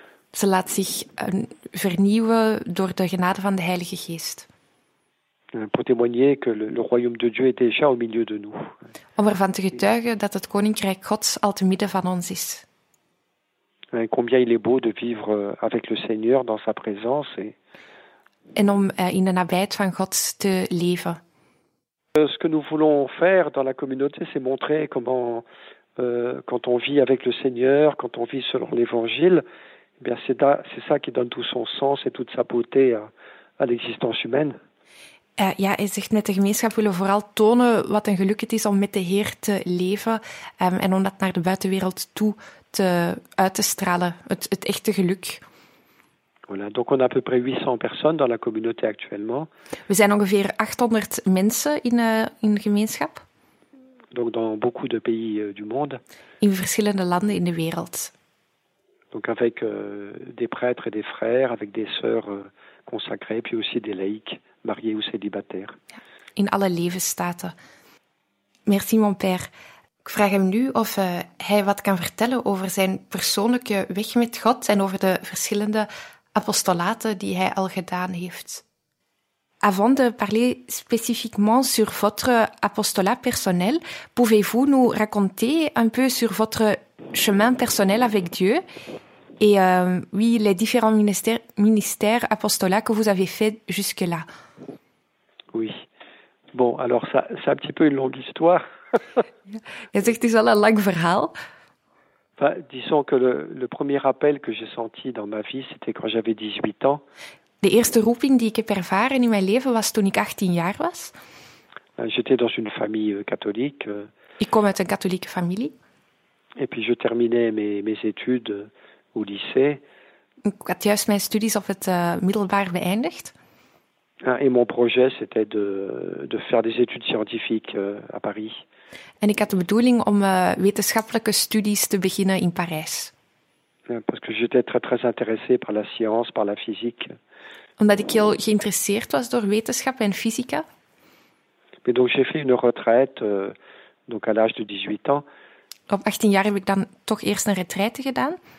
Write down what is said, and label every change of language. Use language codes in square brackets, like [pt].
[nl] Ze laat zich vernieuwen door de genade van de Heilige Geest. [fr] Pour témoigner que le royaume de Dieu est déjà au milieu de nous. [nl] Om ervan te getuigen dat het koninkrijk Gods al te midden van ons is. [fr] Et combien il est beau de vivre avec le Seigneur dans sa présence. [nl] En om in de nabijheid van God te leven. [fr] Ce que nous voulons faire dans la communauté, c'est montrer comment quand on vit avec le Seigneur, quand on vit selon l'Évangile. Bien, c'est ça qui donne tout son sens et toute sa beauté à l'existence humaine. [nl] Ja, hij zegt met de gemeenschap willen vooral tonen wat een geluk het is om met de Heer te leven en om dat naar de buitenwereld toe uit te stralen, het echte geluk. [fr] Voilà, donc on a à peu près 800 personnes dans la communauté actuellement. [nl] We zijn ongeveer 800 mensen in de gemeenschap. [fr] Donc dans beaucoup de pays du monde. [nl] In verschillende landen in de wereld. [fr] Donc avec des prêtres et des frères, avec des sœurs consacrées, puis aussi des laïcs, mariés ou célibataires. [nl] In alle levensstaten. [fr] Merci, mon père. [nl] Ik vraag hem nu of hij wat kan vertellen over zijn persoonlijke weg met God en over de verschillende apostolaten die hij al gedaan heeft. [fr] Avant de parler spécifiquement sur votre apostolat personnel, pouvez-vous nous raconter un peu sur votre chemin personnel avec Dieu et oui, les différents ministères apostolats que vous avez fait jusque-là? Oui. Bon, alors ça, c'est un petit peu une longue histoire. [nl] Je zegt, het is wel een lang verhaal. [fr] Enfin, disons que le premier appel que j'ai senti dans ma vie, c'était quand j'avais 18 ans. [nl] De eerste roeping die ik heb ervaren in mijn leven was toen ik 18 jaar was. [fr] J'étais dans une famille catholique. [nl] Ik kom uit een katholieke familie. [fr] Et puis je terminais mes études au lycée. [nl] Ik had juist mijn studies op het middelbaar beëindigd. [fr] Et mon projet c'était de faire des études scientifiques à Paris. [nl] En ik had de bedoeling om wetenschappelijke studies te beginnen in Parijs. [fr] Parce que j'étais très très intéressé par la science, par la physique. [nl] Omdat ik heel geïnteresseerd was door wetenschap en fysica. [fr] Mais donc j'ai fait une retraite donc à l'âge de 18 ans. [nl] Op 18 jaar heb ik dan toch eerst een retraite gedaan.